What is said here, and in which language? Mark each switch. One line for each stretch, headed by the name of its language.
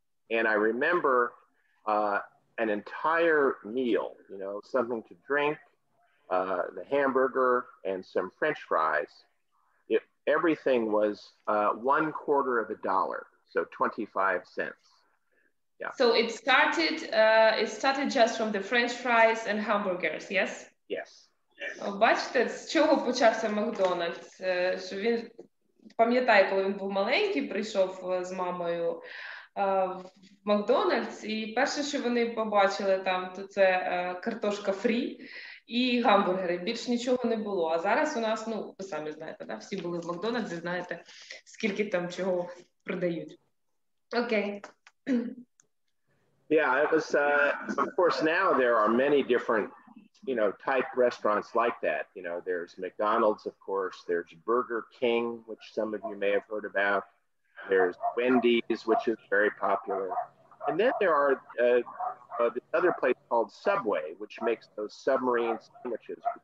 English: And I remember an entire meal, you know, something to drink, the hamburger and some French fries. Everything was $0.25, so 25 cents. Yeah. So it started just from the French fries and hamburgers, yes? Yes.
Ukrainian: Бачите, з чого почався McDonald's? Що він пам'ятаю, коли він був маленький, прийшов з мамою в Макдональдс, і перше, що вони побачили там, то це картошка фрі і гамбургери. Більш нічого не було. А зараз у нас, ну, ви самі знаєте, да, всі були в Макдональдсі, знаєте, скільки там чого продають. Окей.
English: Okay. Yeah, it was, of course, now there are many different, you know, type restaurants like that. You know, there's McDonald's, of course, there's Burger King, which some of you may have heard about. There's Wendy's, which is very popular. And then there are this other place called Subway, which makes those submarine sandwiches.